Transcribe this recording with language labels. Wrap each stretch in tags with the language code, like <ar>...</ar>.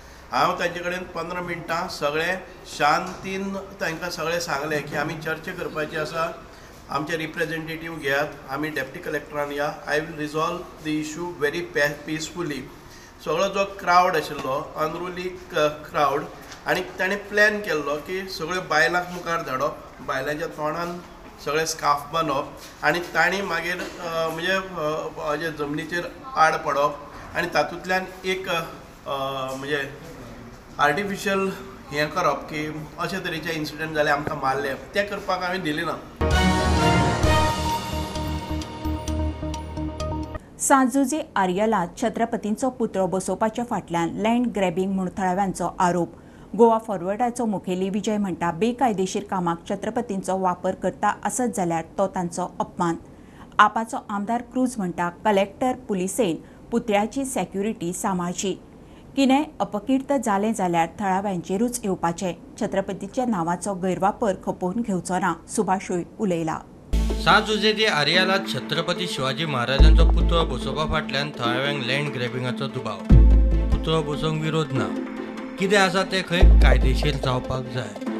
<gom>हांव तांचे कडेन 15 मिनटां सगळें शांतीन तांकां सगळें सांगलें की आमी चर्चा करपाची आसा. आमचे रिप्रेझेंटेटिव घेयात. आमी डेप्टी कलेक्टरान या.</gom> <en>I will resolve the issue very peacefully.</en> <gom>सगळो जो क्राउड आशिल्लो अनरुली क्राउड आनी ताणें प्लॅन केल्लो की सगळ्यो बायलांक मुखार धाडप. बायलांच्या तोंडान सगळें स्काफ बांदप आनी ताणें मागीर म्हणजे जमनीचेर आड पडप आनी तातूंतल्यान एक म्हणजे आर्टिफिशियल हे करप की अशे तरेचे इन्सिडेंट झाले आमकां मारले ते करपाक हांवें दिले ना. सांजुजे आर्यलात छत्रपतींचो पुत्र बसोवपाच्या फाटल्यान लँड ग्रॅबिंग म्हूण थळाव्यांचो आरोप. गोवा फॉरवर्डाचो मुखेली विजय म्हणटा बेकायदेशीर कामाक छत्रपतींचो वापर करता असत जाल्यार तो तांचो अपमान. आपाचो आमदार क्रूज म्हणटा कलेक्टर पुलिसेन पुतळ्याची सेक्युरिटी सांबाळची. किने अपकीर्त जाले जाल्यार थळाव्यांचेरूच येवपाचे. छत्रपतीचे नावाचो गैरवापर खपोवन घेवचो ना. सुभाषय उलयला. सात जुजे ते आर्यालात छत्रपती शिवाजी महाराजांचो पुतळो बसोवपा फाटल्यान थळाव्यांक लँड ग्रॅबिंगाचो दुबाव. पुतळो बसोवंक विरोध ना. किदें आसा ते खंय कायदेशीर जावपाक जाय.</gom>